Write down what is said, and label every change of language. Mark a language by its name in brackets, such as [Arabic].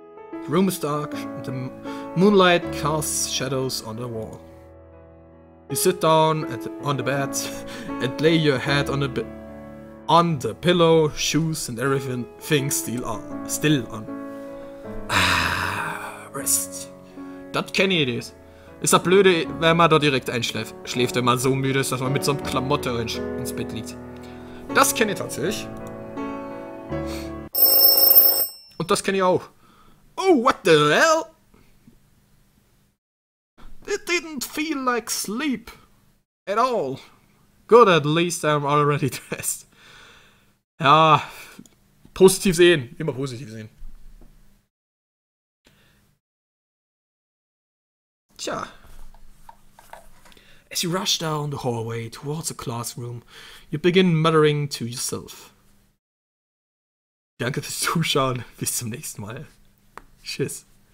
[English] The room is dark, and the moonlight casts shadows on the wall. You sit down on the bed and lay your head on the pillow, shoes and everything still on. [German] Rest. Das kenne ich das. Ist das blöde, wenn man da direkt einschläft, wenn man so müde ist, dass man mit so einem Klamotte ins Bett liegt. Das kenne ich tatsächlich. Und das kenne ich auch. [English] Oh, what the hell? It didn't feel like sleep at all. Good, at least I'm already dressed. [German] Ja, positiv sehen. Immer positiv sehen. Tja. [English] As you rush down the hallway towards the classroom, you begin muttering to yourself. [German] Danke fürs Zuschauen. Bis zum nächsten Mal. Tschüss.